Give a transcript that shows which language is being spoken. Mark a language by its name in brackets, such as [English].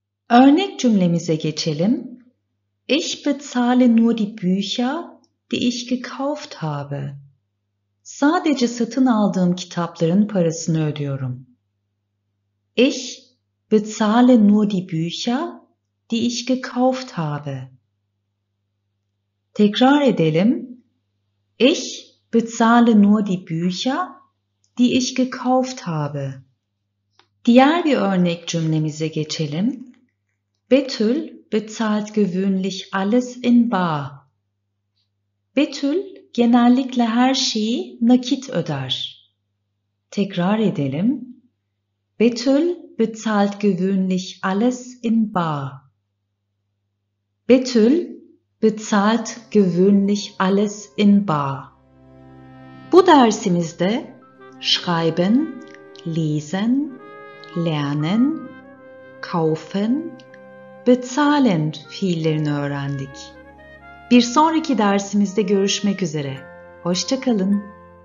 [Turkish] Örnek cümlemize geçelim. [German] Ich bezahle nur die Bücher, die ich gekauft habe. [Turkish] Sadece satın aldığım kitapların parasını ödüyorum. [German] Ich bezahle nur die Bücher, die ich gekauft habe. [Turkish] Tekrar edelim. [German] Ich bezahle nur die Bücher, die ich gekauft habe. [Turkish] Diğer bir örnek cümlemize geçelim. [German] Betül bezahlt gewöhnlich alles in bar. [Turkish] Betül genellikle her şeyi nakit öder. Tekrar edelim. [German] Betül bezahlt gewöhnlich alles in bar. Betül bezahlt gewöhnlich alles in bar. [Turkish] Bu dersimizde schreiben, lesen, lernen, kaufen, bezahlen fiillerini öğrendik. Bir sonraki dersimizde görüşmek üzere. Hoşça kalın.